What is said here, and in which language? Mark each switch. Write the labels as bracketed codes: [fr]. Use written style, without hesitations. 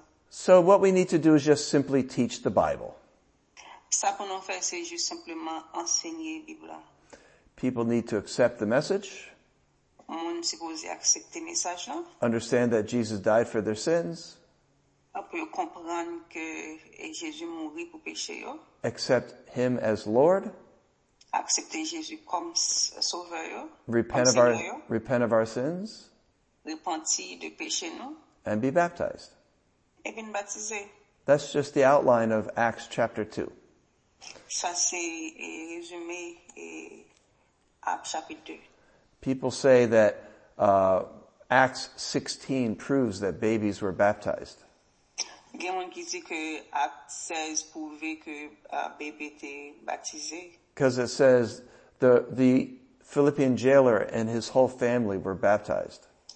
[en] So what we need to do is just simply teach the Bible. [fr] Ça pour nous faire, c'est juste simplement enseigner la Bible. [en] People need to accept the message. [fr] On est supposé accepter le message. [en] Understand that Jesus died for their sins. [fr] Pour comprendre que Jésus mourit pour péché. [en] Accept him as Lord. [fr] Accepter Jésus comme sauveur. [en] Repent of our sins. [fr] Repentir de péché. [en] And be baptized. [fr] Et bien baptisé. [en] That's just the outline of Acts chapter 2. [fr] Ça, c'est résumé Acts chapitre 2. [en] People say that Acts 16 proves that babies were baptized. [fr] Il y a quelqu'un qui dit que Acts 16 prouvait que bébé était baptisé. [en] Because it says the Philippian jailer and his whole family were baptized.